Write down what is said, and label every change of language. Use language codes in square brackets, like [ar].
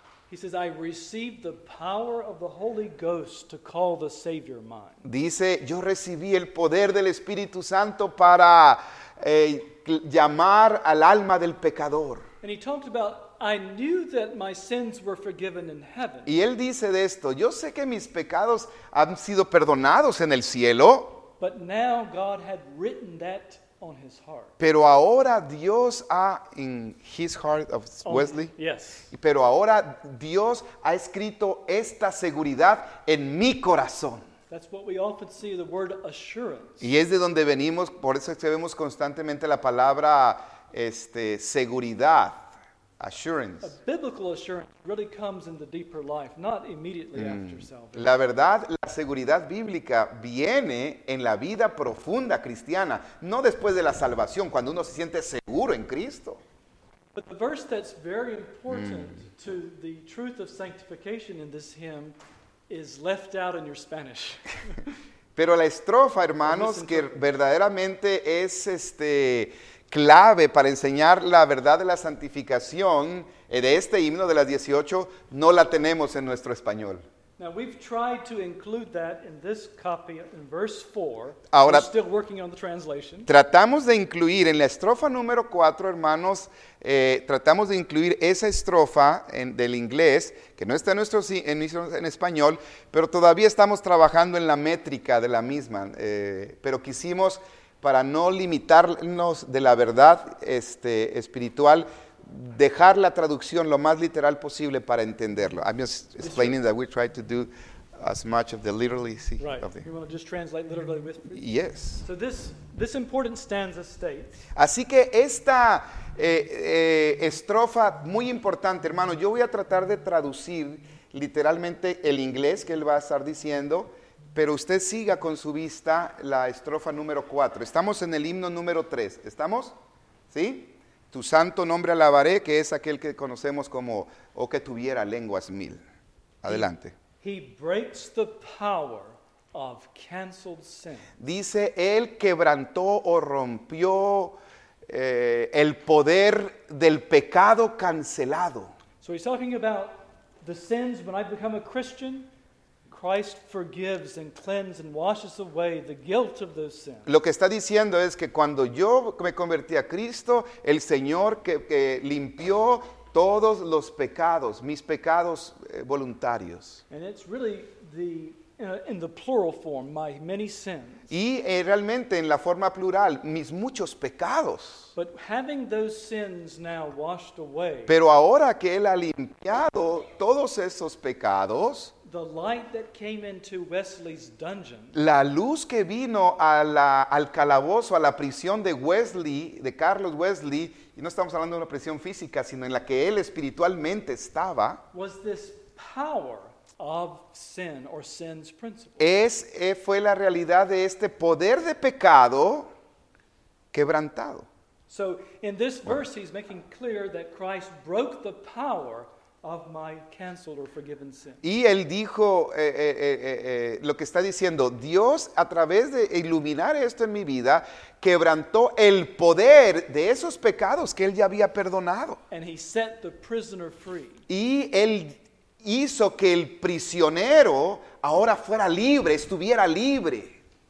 [en] He says, I received the power of the Holy Ghost to call the Savior mine. [es] Dice, yo recibí el poder del Espíritu Santo para llamar al alma del pecador. [en] And he talked about, I knew that my sins were forgiven in heaven. [es] Y él dice de esto, yo sé que mis pecados han sido perdonados en el cielo. [en] But now God had written that on his heart. [es] Pero ahora Dios ha, [en] in his heart of Wesley. Oh, yes. [es] Pero ahora Dios ha escrito esta seguridad en mi corazón. [en] That's what we often see, the word assurance. [es] Y es de donde venimos, por eso es que vemos constantemente la palabra seguridad, assurance. [en] A biblical assurance really comes in the deeper life, not immediately after salvation. [es] La verdad, la seguridad bíblica viene en la vida profunda cristiana, no después de la salvación, cuando uno se siente seguro en Cristo. [en] But the verse that's very important to the truth of sanctification in this hymn is left out in your Spanish. [es] Pero la estrofa, hermanos, que verdaderamente es clave para enseñar la verdad de la santificación de este himno de las 18, no la tenemos en nuestro español. [en] Now we've tried to include that in this copy in verse 4. Ahora, we're still working on the translation. [es] Tratamos de incluir en la estrofa número 4, hermanos, tratamos de incluir esa estrofa del inglés, que no está en español, pero todavía estamos trabajando en la métrica de la misma. Pero quisimos, para no limitarnos de la verdad espiritual, dejar la traducción lo más literal posible para entenderlo. [en] I'm just explaining that we try to do as much of the literally. Right. You want to just translate literally with me? Yes. So this important stanza states. [es] Así que esta estrofa muy importante, hermano, yo voy a tratar de traducir literalmente el inglés que él va a estar diciendo, pero usted siga con su vista la estrofa número 4. Estamos en el himno número 3. ¿Estamos? ¿Sí? Tu santo nombre alabaré, que es aquel que conocemos como o que tuviera lenguas mil. Adelante. [en] He breaks the power of canceled sin. [es] Dice, él quebrantó o rompió el poder del pecado cancelado. [en] So he's talking about the sins when I become a Christian. Christ forgives and cleanses and washes away the guilt of those sins. [es] Lo que está diciendo es que cuando yo me convertí a Cristo, el Señor que limpió todos los pecados, mis pecados voluntarios. [en] And it's really in the plural form, my many sins. [es] Y realmente en la forma plural, mis muchos pecados. [en] But having those sins now washed away. [es] Pero ahora que él ha limpiado todos esos pecados. [en] The light that came into Wesley's dungeon. [es] La luz que vino al calabozo, a la prisión de Wesley, de Carlos Wesley, y no estamos hablando de una prisión física, sino en la que él espiritualmente estaba. [en] Was this power of sin or sin's principle. [es] Fue la realidad de este poder de pecado quebrantado. [en] So in this verse he's making clear that Christ broke the power of my canceled or forgiven sin. [es] Y él dijo lo que está diciendo, Dios a través de iluminar esto en mi vida quebrantó el poder de esos pecados que él ya había perdonado. [en] And he set the prisoner free. [es] Y él hizo que el prisionero ahora fuera libre, estuviera libre.